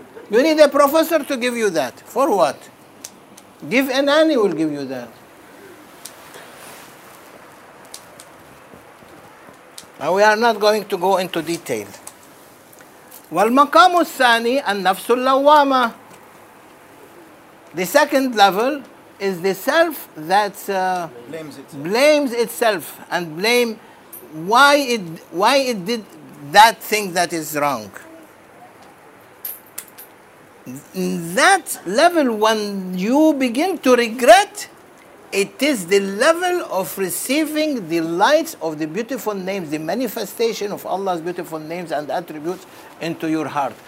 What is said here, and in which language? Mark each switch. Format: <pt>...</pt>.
<en>You need a professor to give you that. For what? Give a nanny will give you that. And we are not going to go into detail.</en> <ar>والمقام الثاني النفس اللوامة.</ar> <en>The second level is the self that blames itself and blame why it did that thing that is wrong. In that level, when you begin to regret, it is the level of receiving the lights of the beautiful names, the manifestation of Allah's beautiful names and attributes into your heart.</en>